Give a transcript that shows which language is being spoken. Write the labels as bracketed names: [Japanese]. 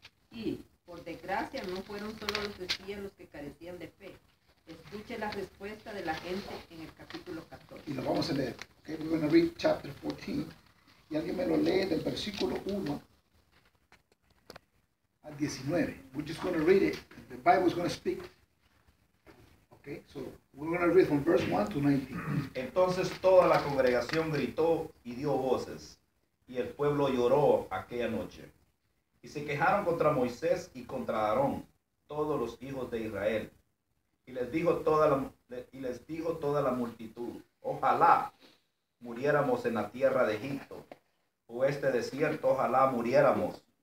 [Spanish] Y, por desgracia, no fueron solo los espías los que carecían de fe. Escuche la respuesta de la gente en el capítulo 14. Y lo vamos a leer. [English] Okay, we're going to read chapter 14. [Spanish] Y alguien me lo lee del versículo 1 al 19. [English] We're just going to read it. The Bible is going to speak. Okay, so we're going to read from verse 1 to 19. [Spanish] Entonces toda la congregación gritó y dio voces, y el pueblo lloró aquella noche. Y se quejaron contra Moisés y contra Aarón, todos los hijos de Israel. Y les dijo toda la multitud, ojalá muriéramos en la tierra de Egipto, o este desierto, ojalá muriéramos.